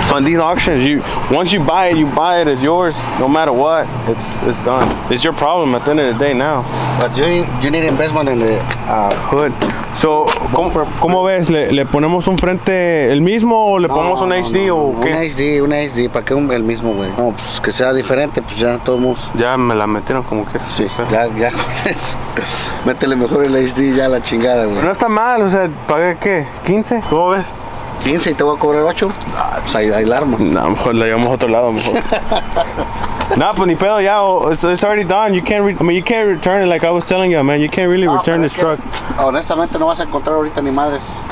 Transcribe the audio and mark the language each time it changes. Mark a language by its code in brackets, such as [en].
[en] So in these auctions, once you buy it, it's yours. No matter what, it's done. It's your problem at the end of the day now. But you need investment in the hood. So, [es] ¿cómo ves? ¿Le ponemos un frente el mismo o le ponemos un HD o qué? Un HD. ¿Para qué el mismo, güey? No, pues que sea diferente, pues ya todos. Ya me la metieron como quieras. Sí, ya es. Métele mejor el HD ya a la chingada, güey. No está mal, o sea, ¿pagué qué? ¿15? ¿Cómo ves? 15 y te voy a cobrar 8. Pues ahí la armas. No, mejor la llevamos a otro lado, mejor. [en] Nah, [es] pues ni pedo ya, [en] it's already done. You can't return it like I was telling you, man. You can't really return this truck. [es] Honestamente, no vas a encontrar ahorita ni madres.